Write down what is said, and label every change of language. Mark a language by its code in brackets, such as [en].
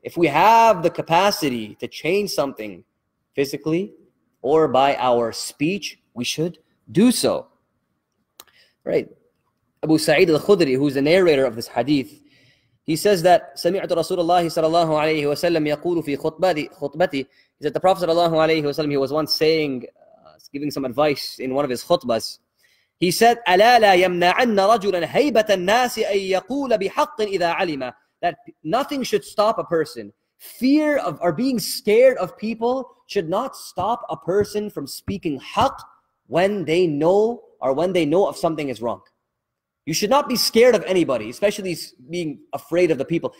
[en] If we have the capacity to change something physically or by our speech, we should do so. Right? Abu Sa'id al-Khudri, who's the narrator of this hadith, he says that سَمِعْتُ رَسُولَ اللَّهِ صَلَى اللَّهُ عَلَيْهِ وَسَلَّمْ يَقُولُ فِي خُطْبَتِ. He said the Prophet صلى الله عليه وسلم, he was once saying, giving some advice in one of his khutbas. [ar] He said, أَلَا لَا يَمْنَعَنَّ رَجُلًا هَيْبَةَ النَّاسِ أَن يَقُولَ بِحَقٍ إِذَا عَلِمَ. [en] That nothing should stop a person. Fear of or being scared of people should not stop a person from speaking haq when they know or when they know of something is wrong. You should not be scared of anybody, especially being afraid of the people.